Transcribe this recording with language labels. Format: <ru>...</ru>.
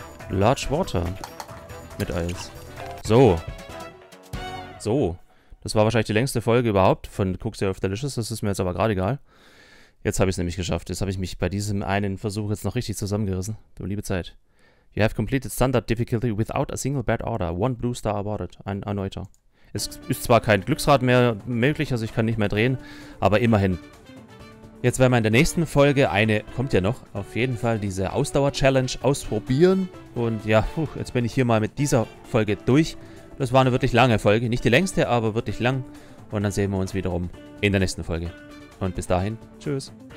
<de>Large Water mit Eis. So. So. Das war wahrscheinlich die längste Folge überhaupt von Cook's Day of Delicious. Das ist mir jetzt aber gerade egal. Jetzt habe ich es nämlich geschafft. Jetzt habe ich mich bei diesem einen Versuch jetzt noch richtig zusammengerissen. Du liebe Zeit.</de> <en>You have completed standard difficulty without a single bad order. One blue star awarded.</en> <de>Ein erneuter. Es ist zwar kein Glücksrad mehr möglich, also ich kann nicht mehr drehen, aber immerhin. Jetzt werden wir in der nächsten Folge eine, kommt ja noch, auf jeden Fall diese Ausdauer-Challenge ausprobieren. Und ja, puh, jetzt bin ich hier mal mit dieser Folge durch. Das war eine wirklich lange Folge, nicht die längste, aber wirklich lang. Und dann sehen wir uns wiederum in der nächsten Folge. Und bis dahin, tschüss.</de>